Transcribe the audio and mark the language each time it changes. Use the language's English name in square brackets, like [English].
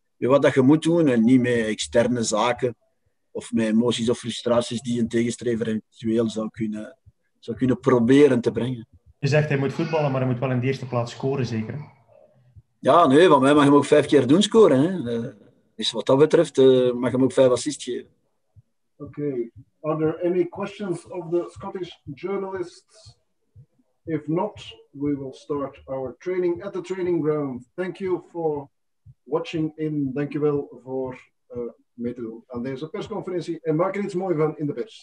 [Dutch] Wat dat je moet doen en niet met externe zaken of met emoties of frustraties die een tegenstrever eventueel zou kunnen, zou kunnen proberen te brengen. Je zegt hij moet voetballen, maar hij moet wel in de eerste plaats scoren, zeker? Ja, nee, van mij mag hem ook 5 keer doen scoren. Hè. Dus wat dat betreft mag hem ook 5 assists geven. Oké. Okay. [English] Are there any questions of the Scottish journalists? If not, we will start our training at the training ground. Thank you for watching in. [Dutch] Dank je wel voor mee te doen aan deze persconferentie. En maak er iets moois van in de pers.